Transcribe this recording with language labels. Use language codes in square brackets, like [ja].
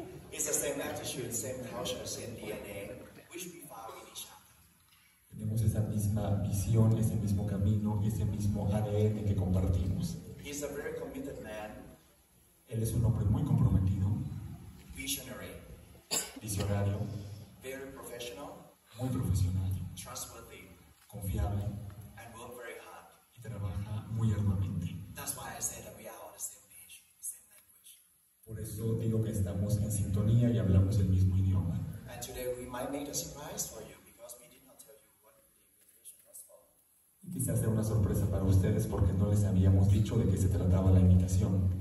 [en] It's the same attitude, same culture, same DNA. Wish we found in each other. [es] Tenemos esa misma visión, ese mismo camino, ese mismo ADN que compartimos. [en] He's a very committed man. [es] Él es un hombre muy comprometido. [en] Visionary. [es] Visionario. [en] Very professional. [es] Muy profesional. [en] Trustworthy. [es] Confiable. [en] And work very hard. [es] Y trabaja muy arduamente. [en] That's why I said that we are on the same page, same language. [es] Por eso digo que estamos en sintonía y hablamos el mismo idioma. [en] And today we might make a surprise for you because we did not tell you what the invitation was for. [es] Y quizás sea una sorpresa para ustedes porque no les habíamos dicho de qué se trataba la invitación.